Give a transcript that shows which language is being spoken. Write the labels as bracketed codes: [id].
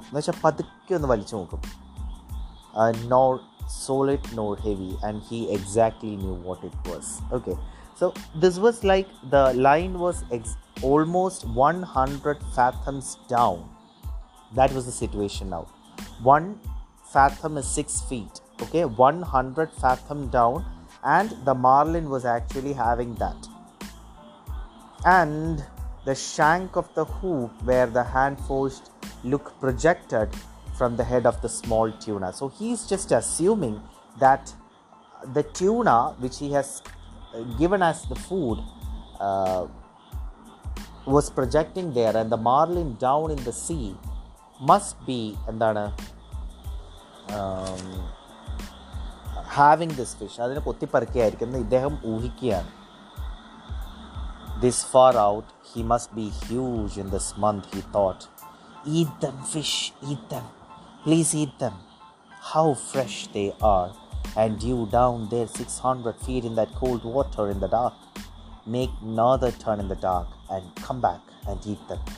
[ml] എന്ന് വെച്ചാൽ പതുക്കെ ഒന്ന് വലിച്ചു നോക്കും, [en] Nor solid nor heavy, and he exactly knew what it was. Okay, so this was like the line was almost 100 fathoms down. That was the situation now. 1 fathom is 6 feet. Okay, 100 fathom down, and the marlin was actually having that, and the shank of the hook where the hand forced look projected from the head of the small tuna. So he's just assuming that the tuna which he has given as the food was projecting there, and the marlin down in the sea must be having this fish. [ml] അതിനെ കൊത്തിപ്പറിക്കുകയായിരിക്കുന്നത് ഇദ്ദേഹം ഊഹിക്കുകയാണ്. [en] This far out, he must be huge in this month, he thought. Eat them fish, eat them, please eat them. How fresh they are, and you down there 600 feet in that cold water in the dark. Make another turn in the dark and come back and eat them.